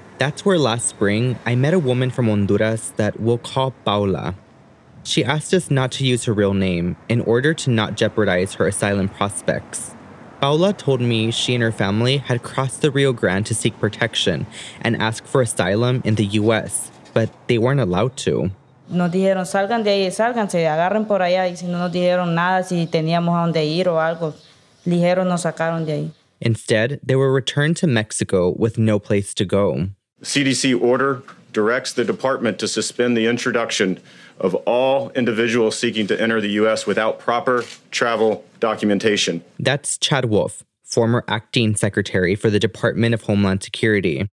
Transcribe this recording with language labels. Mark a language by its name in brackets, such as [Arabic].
[English] That's where last spring I met a woman from Honduras that we'll call Paula. She asked us not to use her real name in order to not jeopardize her asylum prospects. Paula told me she and her family had crossed the Rio Grande to seek protection and ask for asylum in the U.S., but they weren't allowed to. [Spanish] Nos dijeron, salgan de ahí, sálganse, agarren por allá. Y si no nos dijeron nada, si teníamos a donde ir o algo, ligeros nos sacaron de ahí. [English] Instead, they were returned to Mexico with no place to go. CDC order directs the department to suspend the introduction of all individuals seeking to enter the U.S. without proper travel documentation. That's Chad Wolf, former acting secretary for the Department of Homeland Security.